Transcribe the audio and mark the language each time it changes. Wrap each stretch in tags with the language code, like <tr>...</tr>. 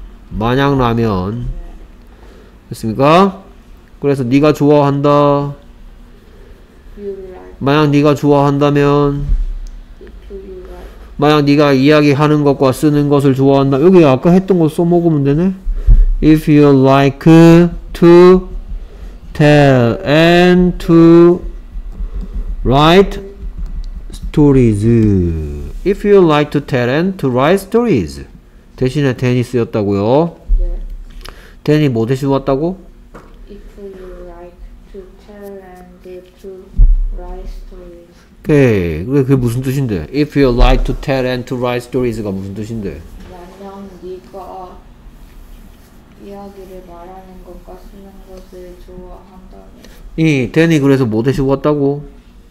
<ko>만약 라면 됐습니까? 그래서 네가 좋아한다 만약 네가 좋아한다면 만약 네가 이야기하는 것과 쓰는 것을 좋아한다 여기 아까 했던 거 써먹으면 되네.</ko> <en>If you like to tell and to write stories. If you like to tell and to write stories.</en> <ko>대신에 댄이 쓰였다고요? 네. 댄이 뭐 대신 왔다고?</ko> <en>If you like to tell and to write stories.</en> <ko>오케이. 그게 무슨 뜻인데?</ko> <en>If you like to tell and to write stories가</en> <ko>무슨 뜻인데? 만약 네가 이야기를 말하는 것과 쓰는 것을 좋아한다면. 이 댄이 그래서 뭐 대신 왔다고?</ko>